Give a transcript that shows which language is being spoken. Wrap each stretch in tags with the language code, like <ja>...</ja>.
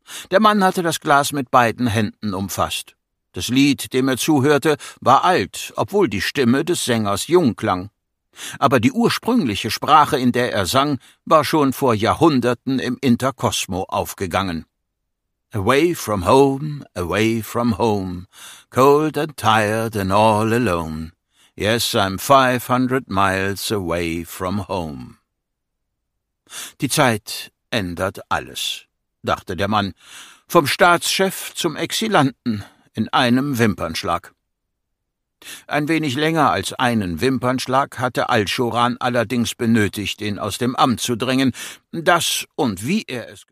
<de>Der Mann hatte das Glas mit beiden Händen umfasst. Das Lied, dem er zuhörte, war alt, obwohl die Stimme des Sängers jung klang. Aber die ursprüngliche Sprache, in der er sang, war schon vor Jahrhunderten im Interkosmo aufgegangen.</de> <en>Away from home, away from home, cold and tired and all alone. Yes, I'm 500 miles away from home.</en> <de>Die Zeit ändert alles, dachte der Mann, vom Staatschef zum Exilanten in einem Wimpernschlag. Ein wenig länger als einen Wimpernschlag hatte Al-Shuran allerdings benötigt, ihn aus dem Amt zu drängen. Das und wie er es</de>